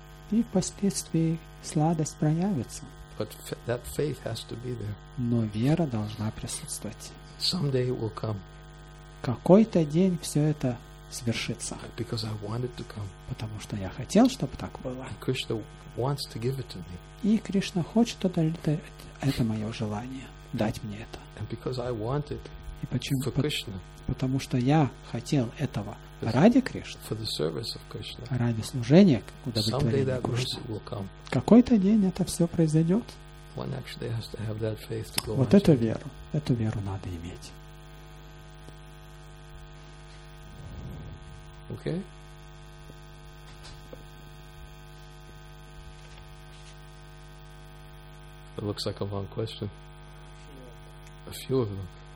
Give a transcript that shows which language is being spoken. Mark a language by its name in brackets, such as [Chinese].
[Russian] И впоследствии сладость проявится. [English] But that faith has to be there. [Russian] Но вера должна присутствовать. [English] Someday it will come. [Russian] Какой-то день все это свершится. [English] Because I want it to come. [Russian] Потому что я хотел, чтобы так было. [English] And Krishna wants to give it to me. [Russian] И Кришна хочет удовлетворить это мое желание, дать мне это. [English] And because I want it. [Russian] И почему? [English] For Krishna. [Russian] Потому что я хотел этого ради Кришны. [English] For the service of Krishna. [Russian] Ради служения, удовлетворения Кришны. Какой-то день это все произойдет. [English] One actually has to have that faith to go. [Russian] Вот эту веру, эту веру надо иметь. [English] Okay. It looks like a long question. A few of them.